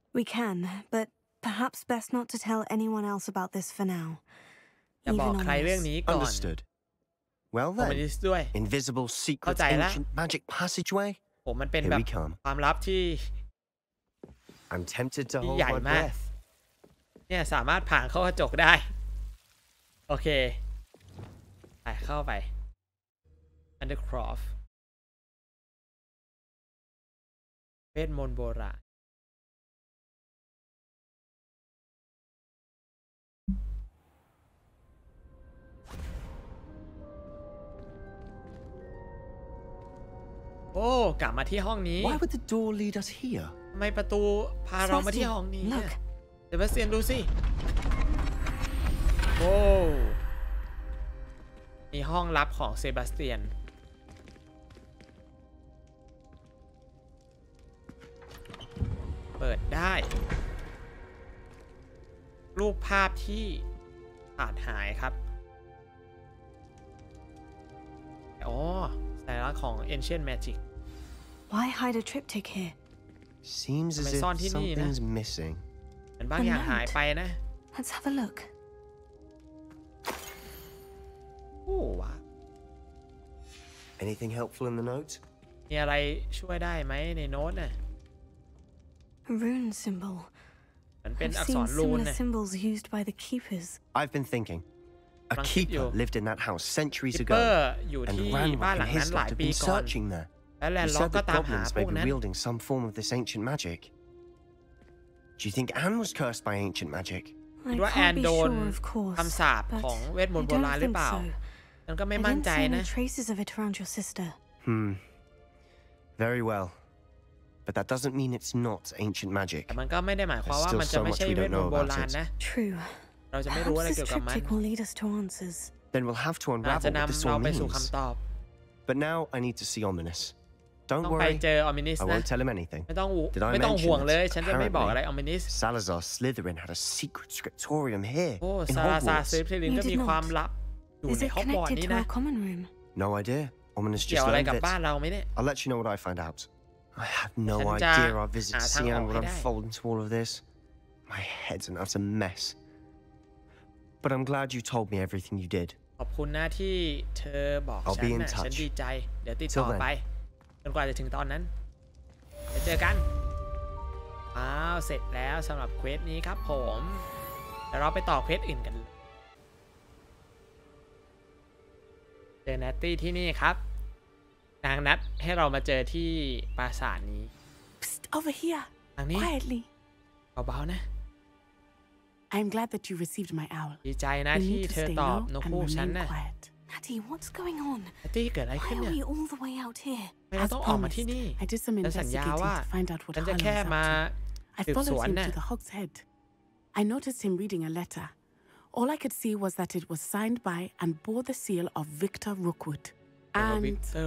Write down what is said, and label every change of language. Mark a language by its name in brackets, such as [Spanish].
[English] We can, but perhaps best not to tell anyone else about this for now. [Thai] จะบอกใครเรื่องนี้ก่อน [English] Understood. Well then. Invisible secret ancient magic passageway. [Thai] ผมมันเป็นแบบความลับที่ [English] I'm tempted to hold my breath. [Thai] เนี่ยสามารถผ่านเข้ากระจกได้โอเคไปเข้าไป Undercroft. เวทมนต์โบราณโอ้กลับมาที่ห้องนี้ [English] Why would the door lead us here? [Thai] ทำไมประตูพาเรามาที่ห้องนี้เซบาสเตียนดูสิ โอ้มีห้องลับของเซบาสเตียนเปิดได้รูปภาพที่ขาดหายครับโอ้สัญลักษณ์ของ Ancient Magic [English] Why hide a triptych here Seems as if something's missing. [Thai] เป็นบางอย่างหายไปนะ [English] Let's have a look. Ooh. Anything helpful in the notes? [Thai] มีอะไรช่วยได้ไหมในโน้ตน่ะ [English] Rune symbol. [Thai] มันเป็นอักษรรูนน่ะ [English] I've seen similar symbols used by the keepers. I've been thinking. A keeper lived in that house centuries ago. [Thai] อยู่ที่บ้านหลังนั้นหลายปีก่อน [English] searching there. [Thai] แล้วแลนล็อกก็ตามหาพวกนั้น [English] You said the goblins may be wielding some form of this ancient magic. Do you think Anne was cursed by ancient magic? [Thai] ว่าแอนโดนคำสาปของเวทมนต์โบราณหรือเปล่าฉันก็ไม่มั่นใจนะ [English] I didn't see any traces of it around your sister. Hmm. Very well. But that doesn't mean it's not ancient magic. [Thai] มันก็ไม่ได้หมายความว่ามันจะไม่ใช่เวทมนต์โบราณนะ [English] True. [Thai] เราจะไม่รู้อะไรเกี่ยวกับมัน [English] Perhaps this will lead us to answers. Then we'll have to unravel what this all means. But now I need to see Ominous. [Thai] ต้องไปเจอออมินิสนะไม่ต้องห่วงเลยฉันจะไม่บอกอะไรออมินิส ซาลาซาร์สลิธีรินมีความลับอยู่ในฮอกวอต ส์ซาลาซาร์สลิธีรินก็มีความลับอยู่ในฮอกวอตส์นี่นะ [English] No idea Ominous just learned it [Thai] อะไรกับบ้านเราไหมเนี่ย [English] I'll let you know what I find out I have no idea our visit to Sian will unfold into all of this My head's an utter mess But I'm glad you told me everything you did [Thai] ขอบคุณนะที่เธอบอกฉันนะฉันดีใจเดี๋ยวติดต่อไปจนกว่าจะถึงตอนนั้นไปเจอกันอ้าวเสร็จแล้วสำหรับเควสนี้ครับผมเดี๋ยวเราไปต่อเควสอื่นกันเจอแนตตี้ที่นี่ครับนางนัดให้เรามาเจอที่ปราสาทนี้ [English] Psst, over here [Thai] ทางนี้ [English] Quietly [Thai] เบาๆนะ [English] I'm glad that you received my owl [Thai] ดีใจนะที่เธอตอบนกฮูกฉันนะ [English] Natty, what's going on? [Thai] Natty, เกิดอะไรขึ้นเนี่ ย [English] Why are we all the way out here? [Thai] เราต้องออกมาที่นี่ [English] I did some investigating to find out what Harlow is up to. I followed him to the Hog's Head. I noticed him reading a letter. All I could see was that it was signed by and bore the seal of Victor Rookwood. And